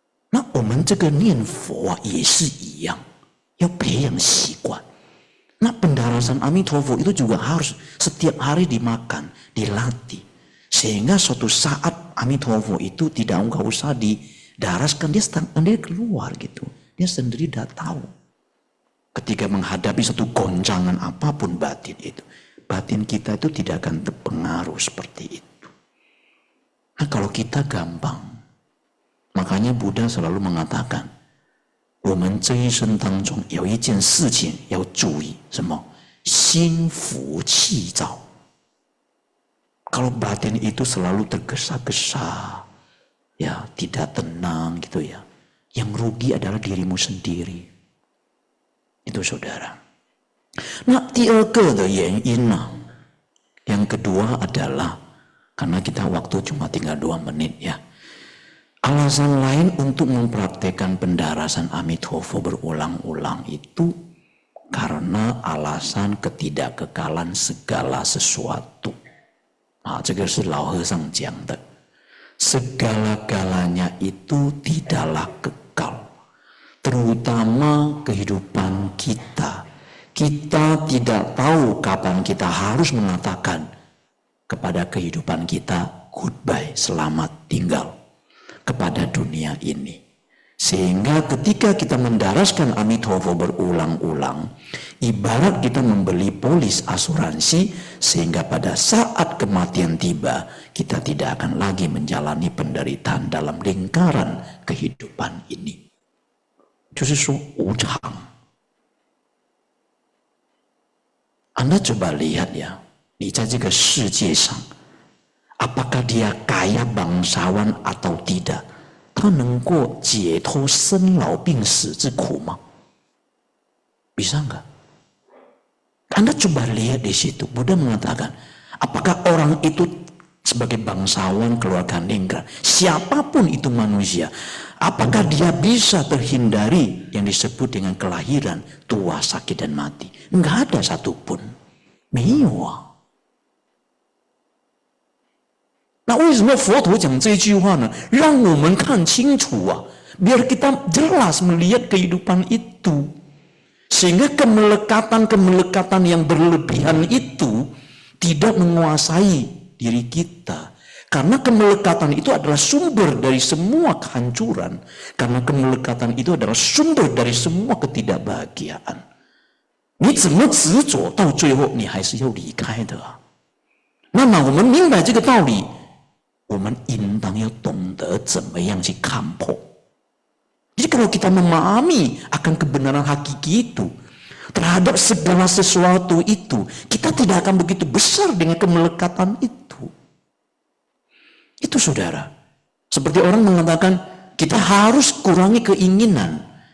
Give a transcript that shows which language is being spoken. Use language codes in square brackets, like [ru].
[zh] Nah, 我们这个念佛也是一样，要培养习惯。 [id] Nah, pendarasan Amitabha itu juga harus setiap hari dimakan, dilatih. Sehingga suatu saat Amitabha itu tidak enggak usah didaraskan, dia sendiri keluar gitu. Dia sendiri sudah tahu. Ketika menghadapi satu goncangan apapun batin itu, batin kita itu tidak akan terpengaruh seperti itu. Nah, kalau kita gampang. Makanya Buddha selalu mengatakan, [zh] 我们这一生当中有一件事情要注意，什么？心浮气躁。 [id] Kalau batin itu selalu tergesa-gesa, ya tidak tenang gitu ya. Yang rugi adalah dirimu sendiri. Itu saudara. Nah, [zh] 第二个的原因呢, [id] yang kedua adalah, karena kita waktu cuma tinggal 2 menit ya. Alasan lain untuk mempraktekkan pendarasan Amitabha berulang-ulang itu karena alasan ketidakkekalan segala sesuatu. [zh] Nah, 这个是老和尚讲的. [id] Segala-galanya itu tidaklah kekal. Terutama kehidupan kita. Kita tidak tahu kapan kita harus mengatakan kepada kehidupan kita, goodbye, selamat tinggal kepada dunia ini. Sehingga ketika kita mendaraskan Amitabha berulang-ulang, ibarat kita membeli polis asuransi, sehingga pada saat kematian tiba, kita tidak akan lagi menjalani penderitaan dalam lingkaran kehidupan ini. Justru seujang. Anda coba lihat ya, di jika sejie sang, apakah dia kaya bangsawan atau tidak? [zh] 他能够解脱生老病死之苦吗? [id] Bisa enggak? Anda coba lihat di situ. Buddha mengatakan, apakah orang itu sebagai bangsawan keluarga Ningra, siapapun itu manusia, apakah dia bisa terhindari yang disebut dengan kelahiran, tua, sakit, dan mati? Enggak ada satupun. Miwa. [zh] Nah, 为什么佛陀讲这句话呢? 让我们看清楚啊, [id] biar kita jelas melihat kehidupan itu. Sehingga kemelekatan-kemelekatan yang berlebihan itu tidak menguasai diri kita. Karena kemelekatan itu adalah sumber dari semua kehancuran. Karena kemelekatan itu adalah sumber dari semua ketidakbahagiaan. [zh] 你怎么执着到最后你还是要离开的?那么我们明白这个道理, 我们应当要懂得怎么样去看破. [id] Jadi kalau kita memahami akan kebenaran hakiki itu terhadap segala sesuatu itu, kita tidak akan begitu besar dengan kemelekatan itu. Itu saudara. Seperti orang mengatakan, kita harus kurangi keinginan.